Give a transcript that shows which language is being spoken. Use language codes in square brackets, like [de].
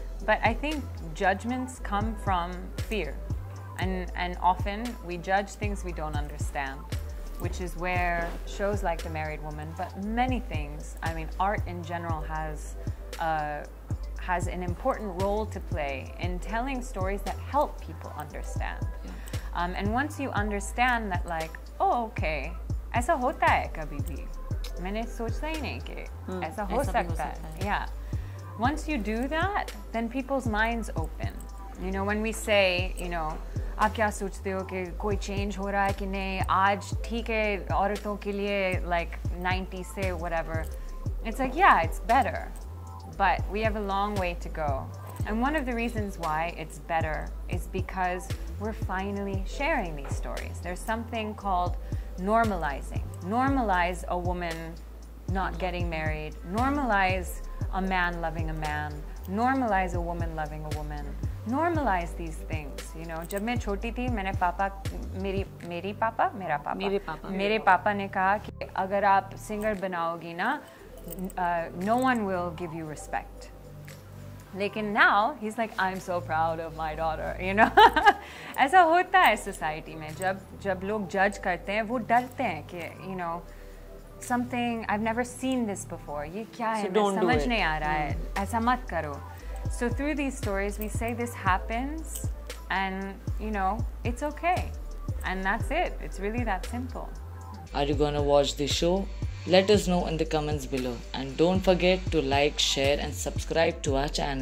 [en] But I think judgments come from fear. And often we judge things we don't understand, which is where shows like The Married Woman, but many things, I mean, art in general has an important role to play in telling stories that help people understand. Yeah. And once you understand that, like, oh, okay, [hi] ऐसा होता है कभी भी। मैंने सोचता ही नहीं के ऐसा हो सकता है। [en] Yeah. Once you do that, then people's minds open. You know, when we say, you know, [hi] आप क्या सोचते हो के कोई change हो रहा है कि नहीं, आज ठीक है औरतों के लिए, like 90 से [en] whatever. It's like, yeah, it's better. But we have a long way to go. And one of the reasons why it's better is because we're finally sharing these stories. There's something called normalizing. Normalize a woman not getting married. Normalize a man loving a man. Normalize a woman loving a woman. Normalize these things, you know. [hi] जब मैं छोटी थी, मैंने पापा, मेरे पापा ने कहा कि अगर आप singer बनाओगी ना, [en] no one will give you respect. [hi] Lekin [en] now, he's like, I'm so proud of my daughter, you know. [hi] ऐसा होता है society में। जब लोग judge करते हैं, वो डरते हैं कि, [en] you know, something, I've never seen this before. [hi] ये क्या है? समझ नहीं आ रहा है। ऐसा मत करो। [en] So through these stories, we say this happens and, you know, it's okay. And that's it. It's really that simple. Are you gonna watch this show? Let us know in the comments below and don't forget to like, share and subscribe to our channel.